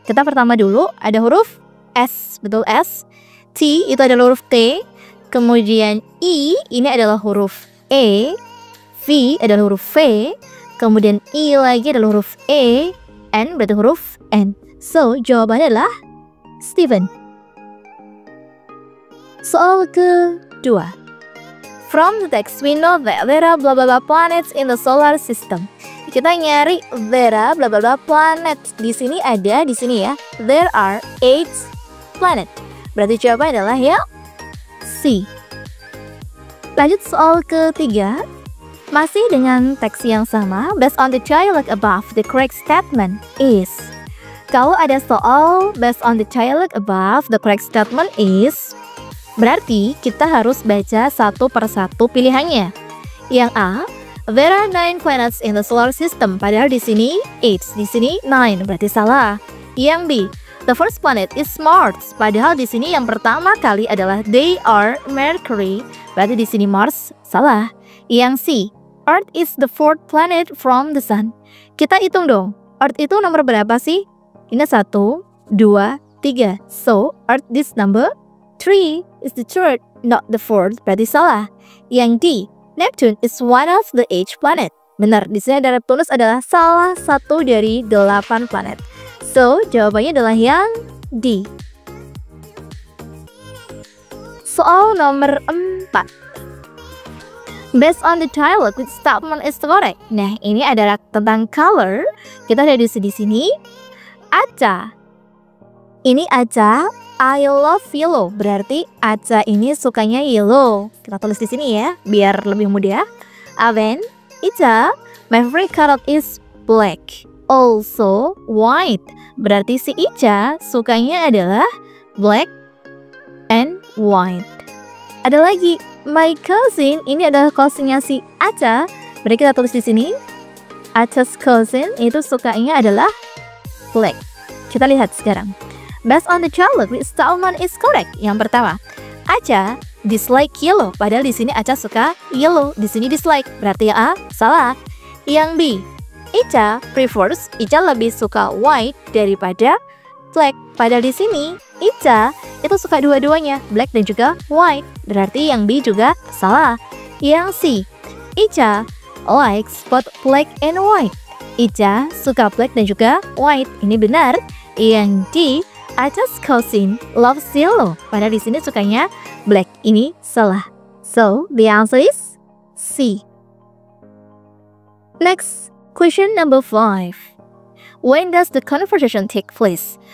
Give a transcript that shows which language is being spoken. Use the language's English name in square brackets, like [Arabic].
[Indonesian] Kita pertama dulu ada huruf S, betul S. T itu adalah huruf T. Kemudian I ini adalah huruf E. V adalah huruf V. Kemudian I lagi adalah huruf E. N berarti huruf N. So, jawabannya adalah Steven. Soal kedua. [English] From the text, we know that there are blah blah blah planets in the solar system. [Indonesian] Kita nyari [English] there are blah blah blah planets. [Indonesian] Di sini ya. [English] There are 8 planets. [Indonesian] Berarti jawabannya adalah ya C. Lanjut soal ketiga. [English] Masih dengan teks yang sama. Based on the dialogue above, the correct statement is. [Indonesian] Kalau ada soal [English] based on the dialogue above, the correct statement is. [Indonesian] Berarti kita harus baca satu per satu pilihannya. Yang A, [English] there are 9 planets in the solar system. [Indonesian] Padahal di sini 8, di sini 9, berarti salah. Yang B, [English] the first planet is Mars. [Indonesian] Padahal di sini yang pertama kali adalah [English] they are Mercury. [Indonesian] Berarti di sini Mars, salah. [English] Yang C, Earth is the fourth planet from the sun. [Indonesian] Kita hitung dong, Earth itu nomor berapa sih? Ini 1, 2, 3. [English] So, Earth is number 3. Is the third, not the fourth, [Indonesian] berarti salah. [English] Yang D, Neptune is one of the 8 planet. [Indonesian] Benar, di sini ada Neptunus adalah salah satu dari 8 planet. So, jawabannya adalah yang D. Soal nomor 4. [English] Based on the dialogue, which statement is correct? [Indonesian] Nah, ini adalah tentang color. Kita ada di sini. Aca. Ini aca. [English] I love yellow, [Indonesian] berarti Aca ini sukanya yellow. Kita tulis di sini ya, biar lebih mudah. Aven, Ica, [English] my favorite color is black. Also white, [Indonesian] berarti si Ica sukanya adalah black and white. Ada lagi, my cousin, ini adalah cousinnya si Aca. Berarti kita tulis di sini, Aca's cousin itu sukanya adalah black. Kita lihat sekarang. [English] Based on the dialogue, which statement is correct? [Indonesian] Yang pertama, [English] Aca dislike yellow. [Indonesian] Padahal di sini Aca suka yellow. Di sini dislike. Berarti A, salah. Yang B, [English] Ica prefers. [Indonesian] Ica lebih suka white daripada black. Padahal di sini, Ica itu suka dua-duanya. Black dan juga white. Berarti yang B juga salah. Yang C, [English] Ica likes both black and white. [Indonesian] Ica suka black dan juga white. Ini benar. Yang D, [English] Aca's cousin loves yellow. [Indonesian] Padahal di sini sukanya black. Ini salah. [English] So, the answer is C. Next, question number 5. When does the conversation take place?